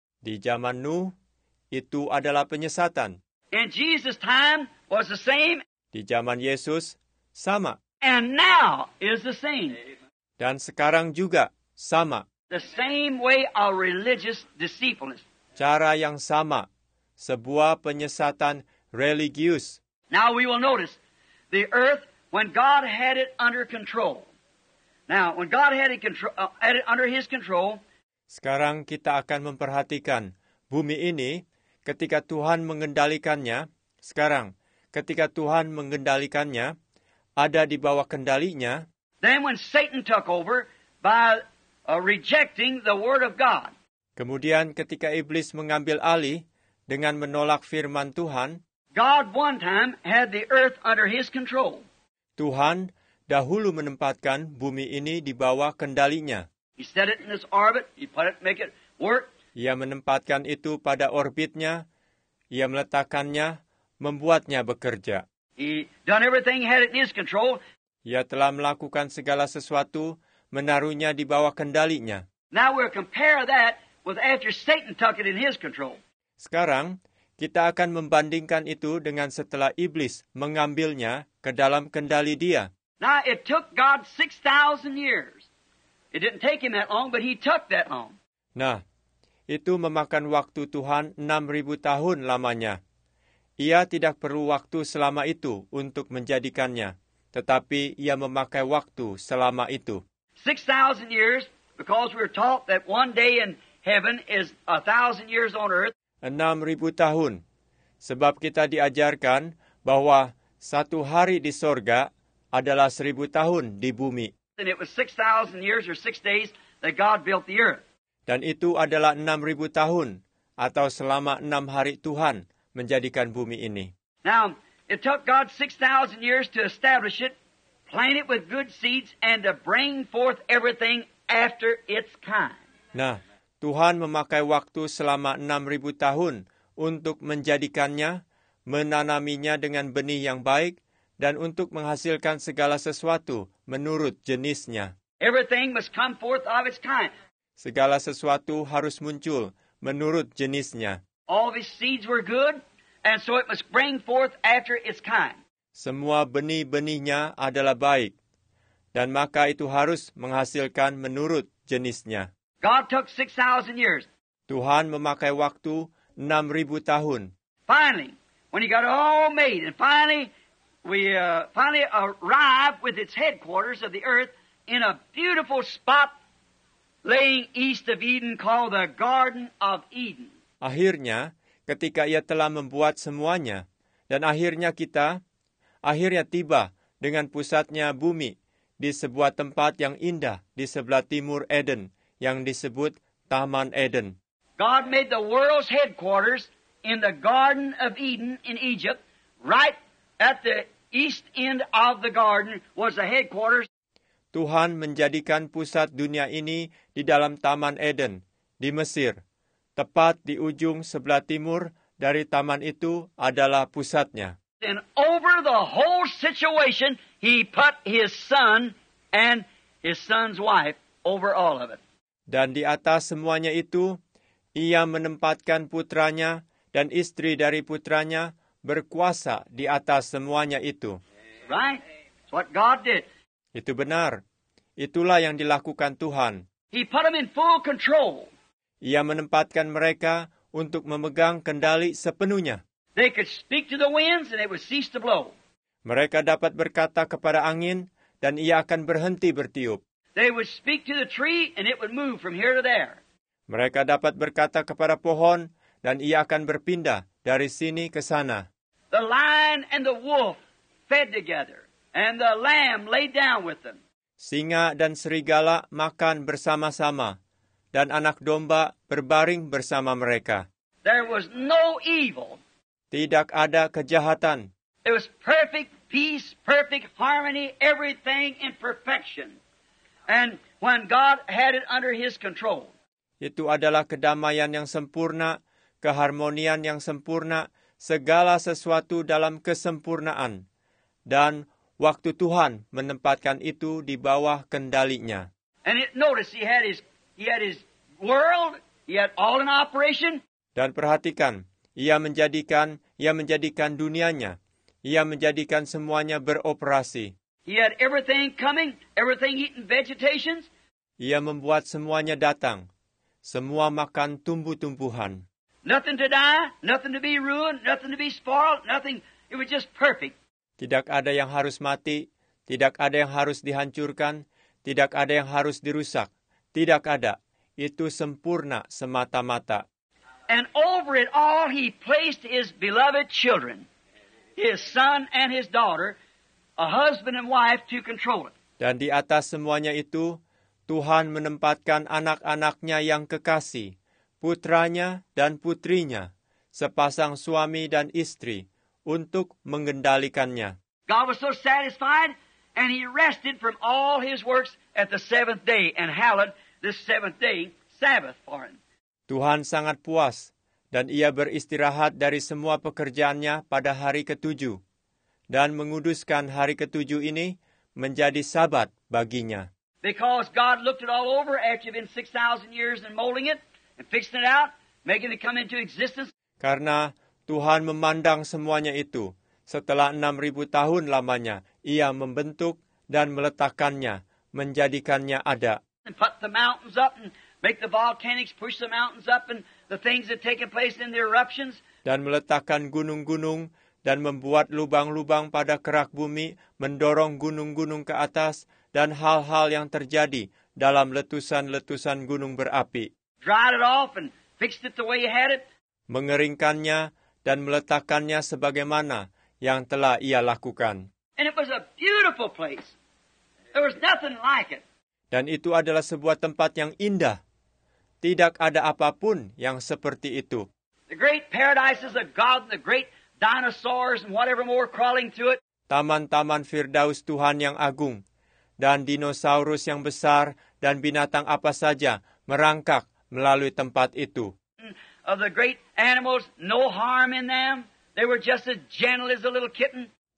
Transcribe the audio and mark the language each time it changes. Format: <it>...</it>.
<id>Di zaman Nuh, itu adalah penyesatan.</id> <en>In Jesus' time, was the same.</en> <id>Di zaman Yesus, sama.</id> <en>And now is the same.</en> <id>Dan sekarang juga sama.</id> <en>The same way a religious deceitfulness.</en> <id>Cara yang sama, sebuah penyesatan religius.</id> <en>Now we will notice the earth when God had it under control. Now when God had it, had it under His control.</en> <id>Sekarang kita akan memperhatikan bumi ini ketika Tuhan mengendalikannya. Sekarang ketika Tuhan mengendalikannya, ada di bawah kendalinya.</id> <en>Then when Satan took over by rejecting the word of God.</en> <id>Kemudian ketika iblis mengambil alih dengan menolak firman Tuhan,</id> <en>God one time had the earth under his control.</en> <id>Tuhan dahulu menempatkan bumi ini di bawah kendalinya.</id> <en>He set it in its orbit, he put it, make it work.</en> <id>Ia menempatkan itu pada orbitnya, ia meletakkannya, membuatnya bekerja.</id> <en>He done everything had it in his control.</en> <id>Ia telah melakukan segala sesuatu, menaruhnya di bawah kendalinya.</id> <en>Now we'll compare that with after Satan took it in his control.</en> <id>Sekarang kita akan membandingkan itu dengan setelah iblis mengambilnya ke dalam kendali dia.</id> <en>Now it took God 6,000 years. It didn't take him that long, but he took that long.</en> <id>Nah, itu memakan waktu Tuhan 6,000 tahun lamanya. Ia tidak perlu waktu selama itu untuk menjadikannya, tetapi ia memakai waktu selama itu.</id> <en>6,000 years, because we're taught that one day in heaven is 1,000 years on earth.</en> <id>6,000 tahun, sebab kita diajarkan bahwa satu hari di sorga adalah 1,000 tahun di bumi.</id> <en>And it was 6,000 years or 6 days that God built the earth.</en> <id>Dan itu adalah 6,000 tahun atau selama 6 hari Tuhan menjadikan bumi ini.</id> <en>Now, it took God 6,000 years to establish it. Plant it with good seeds and to bring forth everything after its kind.</en> <id>Nah, Tuhan memakai waktu selama 6,000 tahun untuk menjadikannya, menanaminya dengan benih yang baik, dan untuk menghasilkan segala sesuatu menurut jenisnya.</id> <en>Everything must come forth of its kind.</en> <id>Segala sesuatu harus muncul menurut jenisnya.</id> <en>All of his seeds were good, and so it must bring forth after its kind.</en> <id>Semua benih-benihnya adalah baik, dan maka itu harus menghasilkan menurut jenisnya.</id> <en>God took 6,000 years.</en> <id>Tuhan memakai waktu 6,000 tahun.</id> <en>Finally, when he got all made, and finally we arrived with its headquarters of the earth in a beautiful spot laying east of Eden called the Garden of Eden.</en> <id>Akhirnya, ketika ia telah membuat semuanya, dan akhirnya kita, akhirnya tiba dengan pusatnya bumi di sebuah tempat yang indah di sebelah timur Eden, yang disebut Taman Eden.</id> <en>God made the world's headquarters in the Garden of Eden in Egypt, right at the east end of the garden was the headquarters.</en> <id>Tuhan menjadikan pusat dunia ini di dalam Taman Eden, di Mesir. Tepat di ujung sebelah timur dari taman itu adalah pusatnya.</id> <en>And over the whole situation, he put his son and his son's wife over all of it.</en> <id>Dan di atas semuanya itu, ia menempatkan putranya dan istri dari putranya berkuasa di atas semuanya itu.</id> <en>Right? It's what God did.</en> <id>Itu benar. Itulah yang dilakukan Tuhan.</id> <en>He put them in full control.</en> <id>Ia menempatkan mereka untuk memegang kendali sepenuhnya.</id> <en>They could speak to the winds and it would cease to blow.</en> <id>Mereka dapat berkata kepada angin dan ia akan berhenti bertiup.</id> <en>They would speak to the tree and it would move from here to there.</en> <id>Mereka dapat berkata kepada pohon dan ia akan berpindah dari sini ke sana.</id> <en>The lion and the wolf fed together, and the lamb lay down with them.</en> <id>Singa dan serigala makan bersama-sama, dan anak domba berbaring bersama mereka.</id> <en>There was no evil.</en> <id>Tidak ada kejahatan.</id> <en>It was perfect peace, perfect harmony, everything in perfection. And when God had it under his control.</en> <id>Itu adalah kedamaian yang sempurna, keharmonian yang sempurna, segala sesuatu dalam kesempurnaan. Dan waktu Tuhan menempatkan itu di bawah kendalinya.</id> <en>And it, notice he had his world, he had all in operation.</en> <id>Dan perhatikan, ia menjadikan dunianya. Ia menjadikan semuanya beroperasi.</id> <en>He had everything coming, everything eaten vegetations.</en> <id>Ia membuat semuanya datang. Semua makan tumbuh-tumbuhan.</id> <en>Nothing to die, nothing to be ruined, nothing to be spoiled, nothing. It was just perfect.</en> <id>Tidak ada yang harus mati, tidak ada yang harus dihancurkan, tidak ada yang harus dirusak. Tidak ada. Itu sempurna semata-mata.</id> <en>And over it all he placed his beloved children, his son and his daughter, a husband and wife to control it.</en> <id>Dan di atas semuanya itu, Tuhan menempatkan anak-anaknya yang kekasih, putranya dan putrinya, sepasang suami dan istri, untuk mengendalikannya.</id> <en>God was so satisfied, and he rested from all his works at the seventh day, and hallowed the seventh day Sabbath for him.</en> <id>Tuhan sangat puas, dan ia beristirahat dari semua pekerjaannya pada hari ketujuh, dan menguduskan hari ketujuh ini menjadi Sabat baginya.</id> <en>Because God looked it all over after you've been 6,000 years and molding it and fixing it out, making it come into existence.</en> <id>Karena Tuhan memandang semuanya itu, setelah 6,000 tahun lamanya, ia membentuk dan meletakkannya, menjadikannya ada.</id> <en>And put the mountains up and make the volcanics push the mountains up and the things that take place in the eruptions.</en> <id>Dan meletakkan gunung-gunung dan membuat lubang-lubang pada kerak bumi, mendorong gunung-gunung ke atas, dan hal-hal yang terjadi dalam letusan-letusan gunung berapi.</id> <en>Dried it off and fixed it the way you had it.</en> <id>Mengeringkannya dan meletakkannya sebagaimana yang telah ia lakukan.</id> <en>And it was a beautiful place. There was nothing like it.</en> <id>Dan itu adalah sebuah tempat yang indah. Tidak ada apapun yang seperti itu.</id> <en>The great paradises of God and the great dinosaurs and whatever more crawling through it.</en> <id>Taman-taman Firdaus Tuhan yang agung, dan dinosaurus yang besar, dan binatang apa saja merangkak melalui tempat itu.</id> <en>Of the great animals, no harm in them. They were just as gentle as a little kitten.</en>